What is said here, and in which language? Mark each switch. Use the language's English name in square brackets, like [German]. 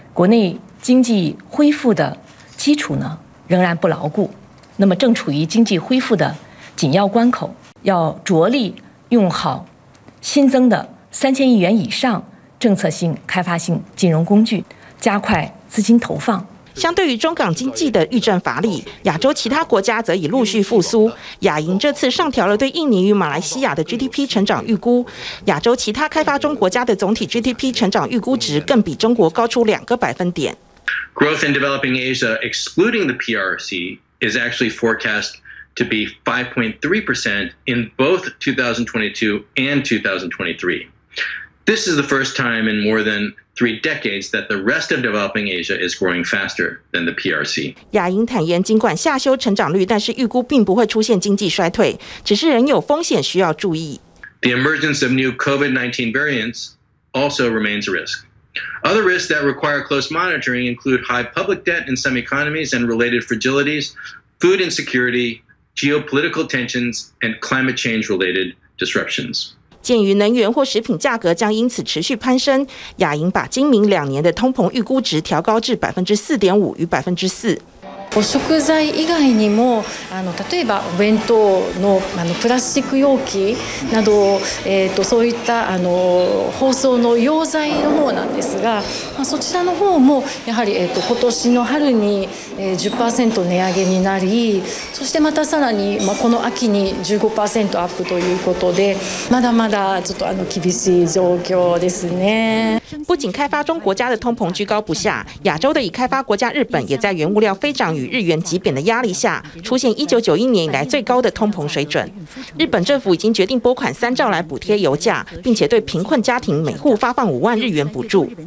[Chinese] 国内经济恢复的基础呢仍然不牢固，那么正处于经济恢复的紧要关口，要着力用好新增的3000亿元以上政策性开发性金融工具，加快资金投放。相对于中港经济的预振乏力，亚洲其他国家则已陆续复苏。亚银这次上调了对印尼与马来西亚的 GDP 成长预估，亚洲其他开发中国家的总体 GDP 成长预估值更比中国高出两个百分点。 [English] Growth in developing Asia, excluding the PRC, is actually forecast to be 5.3% in both 2022 and 2023. This is the first time in more than three decades that the rest of developing Asia is growing faster than the PRC. [Chinese] 亚银坦言，尽管下修成长率，但是预估并不会出现经济衰退，只是仍有风险需要注意。 [English] The emergence of new COVID-19 variants also remains a risk. Other risks that require close monitoring include high public debt in some economies and related fragilities, food insecurity, geopolitical tensions, and climate change-related disruptions. [Chinese] 鉴于能源或食品价格将因此持续攀升，亚银把今明两年的通膨预估值调高至4.5%与4%。 [Japanese] お食材以外にも、例えばお弁当 の, プラスチック容器など、そういった包装の溶剤の方なんですが、そちらの方もやはり、今年の春に 10% 値上げになり、そしてまたさらに、この秋に 15% アップということで、まだまだちょっと厳しい状況ですね。 [Chinese] 不仅开发中国家的通膨居高不下，亚洲的已开发国家日本也在原物料飞涨与日元急贬的压力下，出现1991年以来最高的通膨水准。日本政府已经决定拨款3兆来补贴油价，并且对贫困家庭每户发放50,000日元补助。